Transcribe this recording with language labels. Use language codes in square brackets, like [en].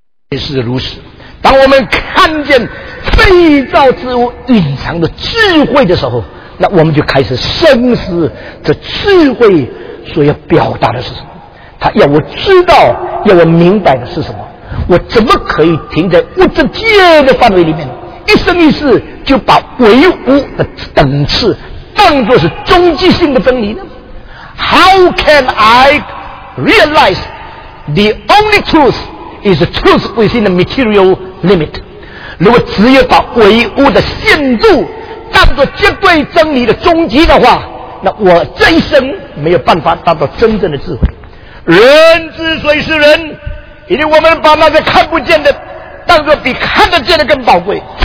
[zh] 也是如此，当我们看见被造之物隐藏的智慧的时候，那我们就开始深思这智慧所要表达的是什么，他要我知道，要我明白的是什么？我怎么可以停在物质界的范围里面，一生一世就把唯物的等次当作是终极性的分离呢？ [en] How can I realize the only truth is the truth within the material limit? [zh] 如果只有把唯物的限度当作绝对真理的终极的话，那我这一生没有办法达到真正的智慧。人之所以是人，因为我们把那个看不见的当作比看得见的更宝贵。